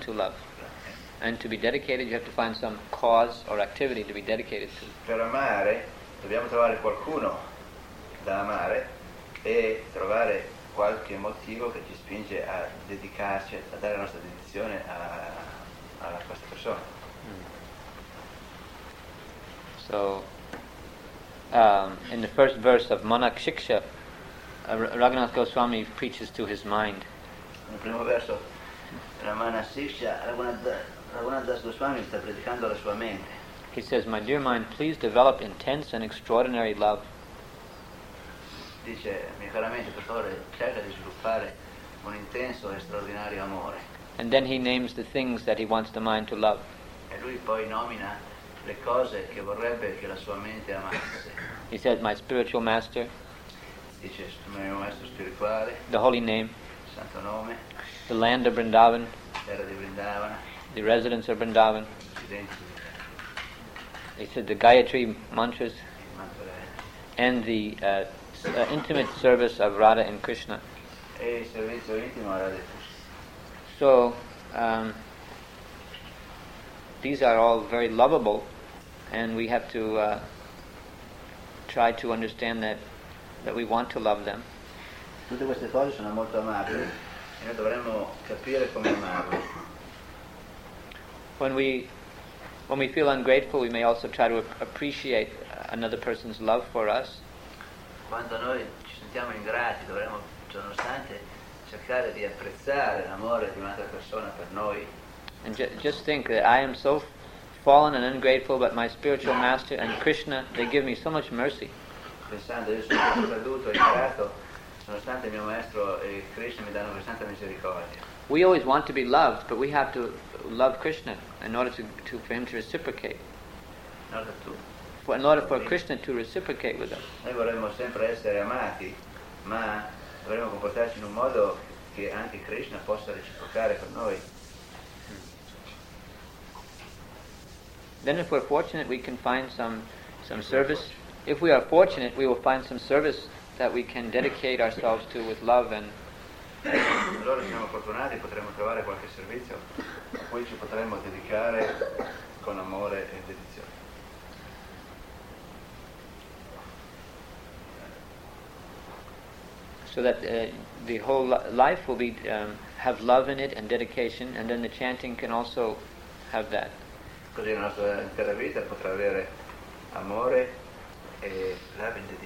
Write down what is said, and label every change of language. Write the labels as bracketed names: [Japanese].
[English] to love, and to be dedicated, you have to find some cause or activity to be dedicated to. [Italian] Per amare, dobbiamo trovare qualcuno da amare e trovare qualche motivo che ci spinge a dedicarci, a dare la nostra dedizione a questa persona. [English] So, in the first verse of Manak Shiksha, Raghunath Goswami preaches to his mind. In the [Italian] primo verso, Ramana Shiksha, Raghunath Goswami sta predicando alla sua mente. [English] He says, "My dear mind, please develop intense and extraordinary love." [Italian] Dice, mia cara mente, per favore, cerca di sviluppare un intenso e straordinario amore. [English] And then he names the things that he wants the mind to love. [Italian] E lui poi nomina le cose che vorrebbe che la sua mente amasse. [English] He said, "My spiritual master." [Italian] Dice, mio maestro spirituale. [English] The holy name. [Italian] Santo nome. [English] The land of Vrindavan. [Italian] Terra di Vrindavana. [English] The residence of Vrindavan. [Italian] Residenza. [English] He said the Gayatri mantras. [Italian] Mantra. [English] And the intimate service of Radha and Krishna. [Italian] E il servizio intimo a Radha. [English] So. These are all very lovable, and we have to try to understand that we want to love them. [Italian] Tutte queste cose sono molto amabili, e noi dovremmo capire come amarle. [English] When we feel ungrateful, we may also try to appreciate another person's love for us. [Italian] Quando noi ci sentiamo ingrati, dovremmo, ciononostante, cercare di apprezzare l'amore di un'altra persona per noi. [English] And just think that I am so fallen and ungrateful, but my spiritual master and Krishna, they give me so much mercy. [Italian] Pensando, io sono caduto, ingrato, nonostante mio maestro e Krishna mi danno tanta misericordia. [English] We always want to be loved, but we have to love Krishna in order to for him to reciprocate. In order for Krishna to reciprocate with us. [Italian] Noi vorremmo sempre essere amati, ma dovremmo comportarci in un modo che anche Krishna possa reciprocare per noi. [English] Then if we're fortunate, we can find some service. If we are fortunate, we will find some service that we can dedicate ourselves to with love and... [Italian] Allora siamo fortunati, potremo trovare qualche servizio a cui ci potremo dedicare con amore e dedizione. [English] So that the whole life will be have love in it and dedication, and then the chanting can also have that. [Italian] Così la nostra intera vita potrà avere amore e [English] love